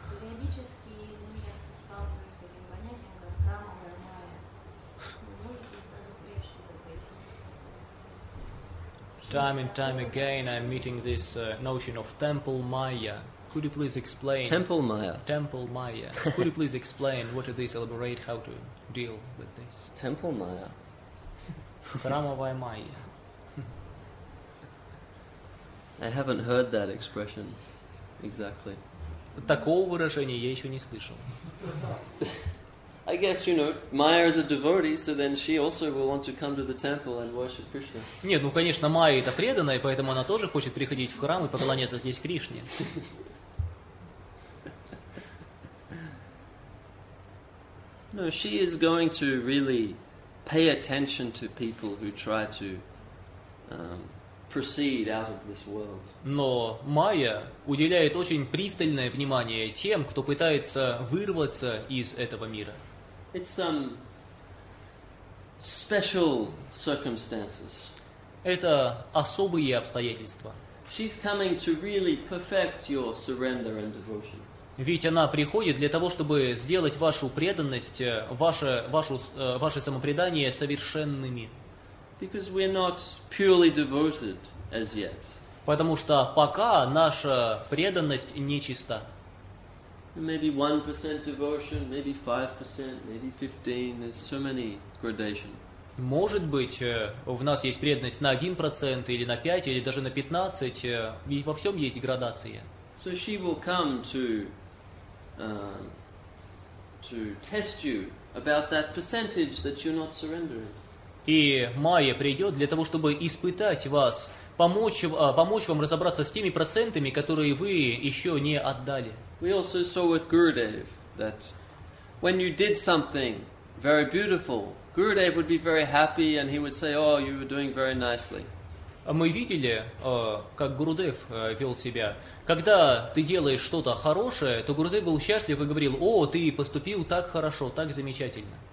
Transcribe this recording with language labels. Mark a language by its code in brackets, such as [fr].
[ru] Периодически я сталкиваюсь с этим понятием, как храма громая. Может быть, сразу прежде, чтобы пояснить. [en] Time and time again I'm meeting this notion of temple maya. Could you please explain? Temple Maya. Temple Maya. Could you please explain what it is, elaborate how to deal with this? Temple Maya. [ru] Храмовая майя. [en] I haven't heard that expression exactly. [ru] Такого выражения я еще не слышал. [en] I guess, you know, Maya is a devotee, so then she also will want to come to the temple and worship Krishna. [ru] Нет, ну конечно, Майя это преданная, поэтому она тоже хочет приходить в храм и поклоняться здесь Кришне. [en] No, she is going to really pay attention to people who try to proceed out of this world. [ru] Но Майя уделяет очень пристальное внимание тем, кто пытается вырваться из этого мира. [en] It's some special circumstances. [ru] Это особые обстоятельства. [en] She's coming to really perfect your surrender and devotion. [ru] Ведь она приходит для того, чтобы сделать вашу преданность, ваше самопредание совершенными. [en] Because we're not purely devoted as yet. [ru] Потому что пока наша преданность нечиста. [en] Maybe 1% devotion, maybe 5%, maybe 15%, there's so many gradations. [ru] Может быть, у нас есть преданность на 1%, или на 5%, или даже на 15%, ведь во всем есть градация. [en] So she will come to to test you about that percentage that you're not surrendering. [ru] И Майя придет для того, чтобы испытать вас, помочь вам разобраться с теми процентами, которые вы еще не отдали. [en] We also saw with Gurudev that when you did something very beautiful, Gurudev would be very happy and he would say, "Oh, you were doing very nicely." [ru] Мы видели, как Гурудев вел себя. Когда ты делаешь что-то хорошее, то Гурудев был счастлив и говорил, «О, ты поступил так хорошо, так замечательно».